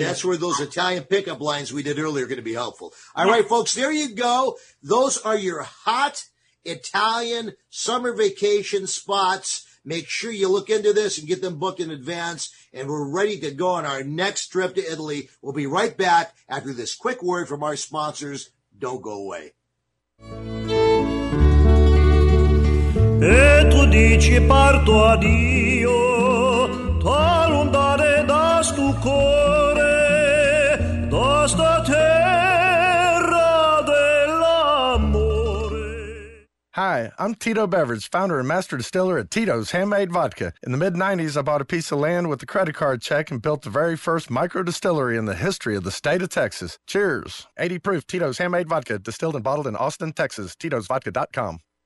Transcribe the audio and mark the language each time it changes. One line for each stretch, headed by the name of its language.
English: And that's where those Italian pickup lines we did earlier are going to be helpful. All right, folks, there you go. Those are your hot Italian summer vacation spots. Make sure you look into this and get them booked in advance. And we're ready to go on our next trip to Italy. We'll be right back after this quick word from our sponsors. Don't go away.
Neapolitan: E tu dici parto addio, t'allontanare da sto cuore, da sta terra dell'amore.
English: Hi, I'm Tito Beveridge, founder and master distiller at Tito's Handmade Vodka. In the mid-90s, I bought a piece of land with a credit card check and built the very first micro distillery in the history of the state of Texas. Cheers. 80 proof Tito's Handmade Vodka, distilled and bottled in Austin, Texas. Titosvodka.com.